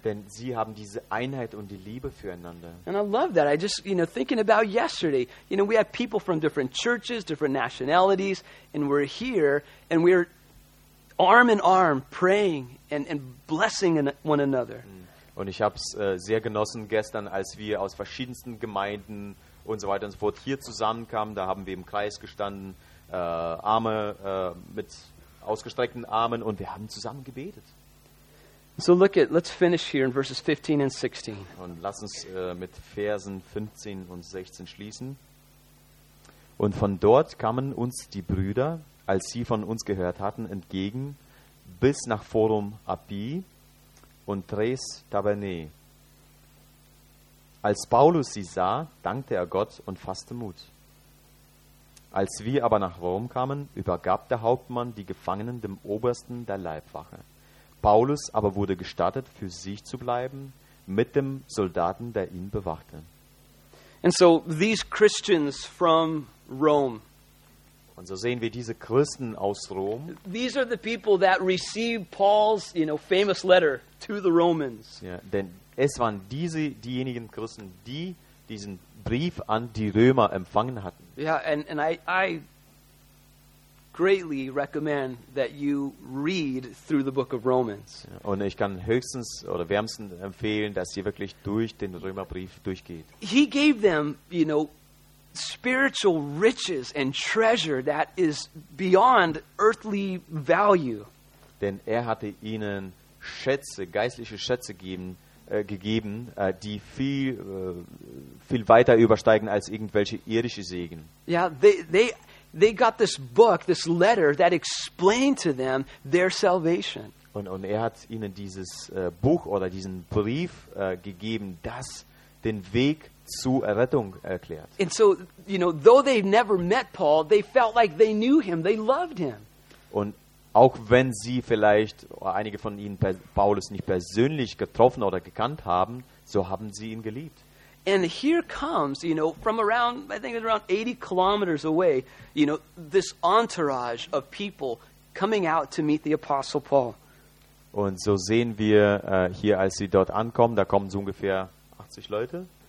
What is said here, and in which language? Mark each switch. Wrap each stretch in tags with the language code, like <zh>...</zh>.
<de>Denn sie haben diese Einheit und die Liebe füreinander.</de> <en>And I love that. I just, you know, thinking about yesterday, you know, we had people from different churches, different nationalities, and we're here and we're arm in arm praying and blessing one another.</en> <de>Und ich habe es sehr genossen gestern, als wir aus verschiedensten Gemeinden und so weiter und so fort hier zusammenkamen. Da haben wir im Kreis gestanden, Arme mit ausgestreckten Armen, und wir haben zusammen gebetet.</de> <en>So look at, let's finish here in verses 15 and 16.</en> <de>Und lass uns mit Versen 15 und 16 schließen. Und von dort kamen uns die Brüder, als sie von uns gehört hatten, entgegen bis nach Forum Api und Tres Tabernae. Als Paulus sie sah, dankte er Gott und fasste Mut. Als wir aber nach Rom kamen, übergab der Hauptmann die Gefangenen dem Obersten der Leibwache. Paulus aber wurde gestattet, für sich zu bleiben, mit dem Soldaten, der ihn bewachte.</de> <en>And so these Christians from Rome.</en> <de>Und so sehen wir diese Christen aus Rom.</de> <en>These are the people that received Paul's, you know, famous letter to the Romans.</en> <de>Ja, denn es waren diejenigen Christen, die diesen Brief an die Römer empfangen hatten.</de> <en>Yeah, and I greatly recommend that you read through the book of Romans.</en> <de>Ja, und ich kann höchstens oder wärmsten empfehlen, dass ihr wirklich durch den Römerbrief durchgeht.</de> <en>He gave them, you know, spiritual riches and treasure that is beyond earthly value.</en> <de>Denn er hatte ihnen Schätze, geistliche Schätze gegeben, die viel weiter übersteigen als irgendwelche irdische Segen.</de> <en>Yeah, they got this book, this letter that explained to them their salvation.</en> <de>Und er hat ihnen dieses Buch oder diesen Brief gegeben, das den Weg zu Errettung erklärt.</de> <en>And so, you know, though they never met Paul, they felt like they knew him, they loved him.</en> <de>Und auch wenn sie vielleicht einige von ihnen Paulus nicht persönlich getroffen oder gekannt haben, so haben sie ihn geliebt.</de> <en>And here comes, you know, from around, I think it's around 80 kilometers away, you know, this entourage of people coming out to meet the apostle Paul.</en> <de>Und so sehen wir hier, als sie dort ankommen, da kommen so ungefähr 80 Leute.</de>